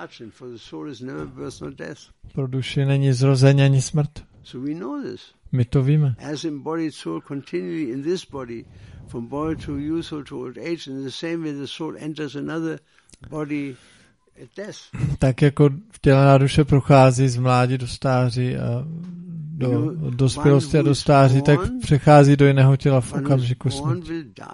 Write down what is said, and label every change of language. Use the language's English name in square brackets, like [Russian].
[English] For the soul is never birth nor death. [Czech] Pro duši není zrození ani smrt. [English] So we know this. [Czech] My to víme. [English] As embodied soul continually in this body, from boy to youth or to old age, in the same way the soul enters another body, [Czech] tak jako vtělená duše prochází z mládí do stáří a do dospělosti a do stáří, tak přechází do jiného těla v okamžiku smrti.